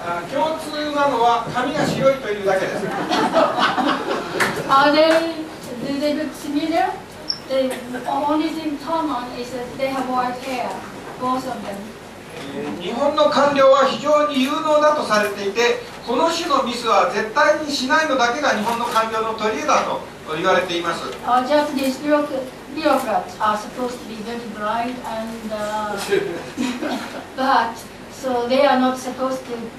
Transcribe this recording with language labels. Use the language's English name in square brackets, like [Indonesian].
[Japanese] 共通なのは髪が白いというだけです。 [English] Do they look similar? The only thing common is that they have white hair, both of them. [Japanese] 日本の官僚は非常に有能だとされていて、この種のミスは絶対にしないのだけが日本の官僚の取り柄だと言われています。 [English] Japanese bureaucrats are supposed to be very bright and but so they are not supposed to.